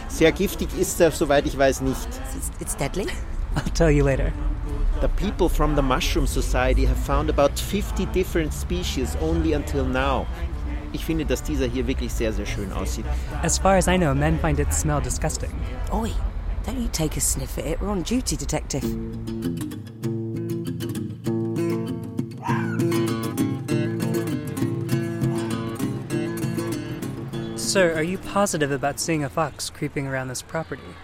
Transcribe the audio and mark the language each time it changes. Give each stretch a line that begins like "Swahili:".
German: Sehr giftig ist er, soweit ich weiß, nicht.
English: It's deadly? I'll tell you later. The people from the Mushroom Society have found about 50 different species only until now.
German: Ich finde, dass dieser hier wirklich sehr, sehr schön aussieht.
English: As far as I know, men find its smell disgusting. Oi, don't you take a sniff at it. We're on duty, detective. Sir, are you positive about seeing a fox creeping around this property?